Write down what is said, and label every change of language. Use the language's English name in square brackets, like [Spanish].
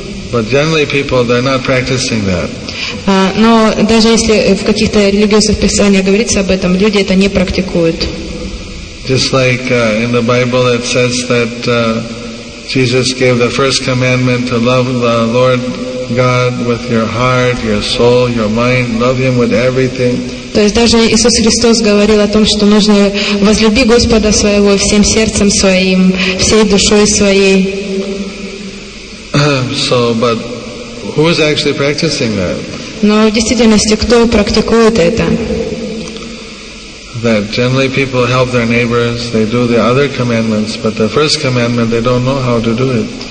[English] But generally, people they're not practicing that. [Russian] Но даже если в каких-то религиозных писаниях говорится об этом, люди это не практикуют. [English] Just like in the Bible, it says that. Jesus gave the first commandment to love the Lord God with your heart, your soul, your mind. Love Him with everything. [Russian] То есть даже Иисус Христос говорил о том, что нужно возлюби Господа своего всем сердцем своим, всей душой своей. [English] So, but who is actually practicing that? [Russian] Но в действительности кто практикует это? [English] That generally people help their neighbors, they do the other commandments, but the first commandment they don't know how to do it.